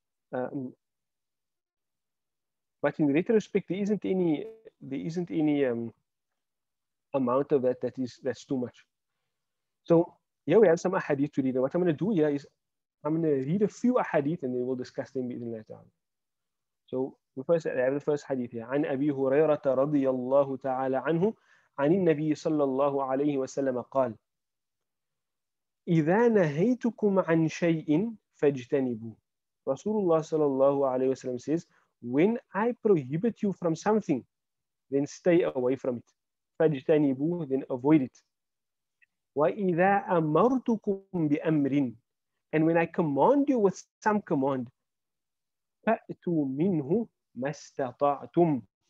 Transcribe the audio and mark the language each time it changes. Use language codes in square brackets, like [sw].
[en] But in retrospect, there isn't any amount of that's too much. So here we have some ahadith to read. And what I'm going to do here is I'm going to read a few ahadith and then we'll discuss them in later on. So I have the first hadith here. [ar] عن أبي هريرة رضي الله تعالى عنه عن النبي صلى الله عليه وسلم قال إذا نهيتكم عن شيء فاجتنبوا. رسول الله صلى الله عليه وسلم [en] says, when I prohibit you from something, then stay away from it. [ar] فاجتنبوا, [en] then avoid it. [ar] وإذا أمرتكم بأمر, [en] and when I command you with some command, [ar] فأتوا منه ما استطعتم.